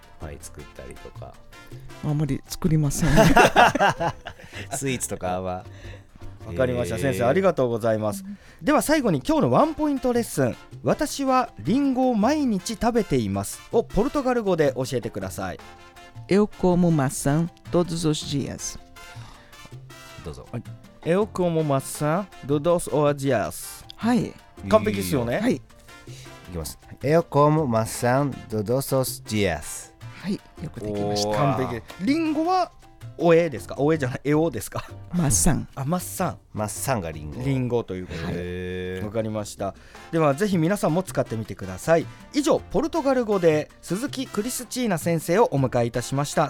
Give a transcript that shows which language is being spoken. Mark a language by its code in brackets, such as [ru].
[ja] パイ作ったりとか。あまり作りません。スイーツとかは。わかりました、先生ありがとうございます。では最後に今日のワンポイントレッスン、私はリンゴを毎日食べていますをポルトガル語で教えてください。 [pt] Eu como maçã todos os dias。 [ja] どうぞ。 [pt] Eu como maçã todos os dias。 [ja] はい、完璧ですよね。はい、いきます。 [pt] Eu como maçã todos os dias。 [ja] はい、よくできました。完璧。リンゴはおえですか？おえじゃない、えおですか？マッサン。あ、マッサン。マッサンがリンゴ。リンゴということで。わかりました。ではぜひ皆さんも使ってみてください。以上、ポルトガル語で鈴木クリスチーナ先生をお迎えいたしました。